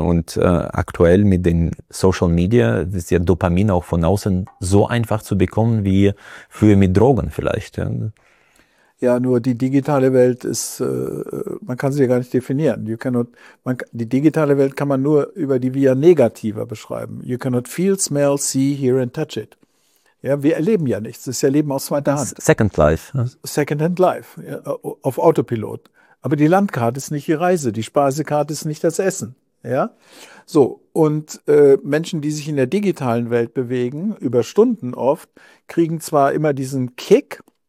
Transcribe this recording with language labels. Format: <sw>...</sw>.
<de>Und aktuell mit den Social Media ist ja Dopamin auch von außen so einfach zu bekommen wie früher mit Drogen vielleicht. Ja. Ja, nur die digitale Welt ist, man kann sie ja gar nicht definieren. Die digitale Welt kann man nur über die Via Negativa beschreiben.</de> <en>You cannot feel, smell, see, hear and touch it.</en> <de>Ja, wir erleben ja nichts. Es ist ja Leben aus zweiter Hand.</de> <en>Second Life. Second-hand life,</en> <de>ja, auf Autopilot. Aber die Landkarte ist nicht die Reise, die Speisekarte ist nicht das Essen, ja. So, und Menschen, die sich in der digitalen Welt bewegen, über Stunden oft, kriegen zwar immer diesen Kick,</de>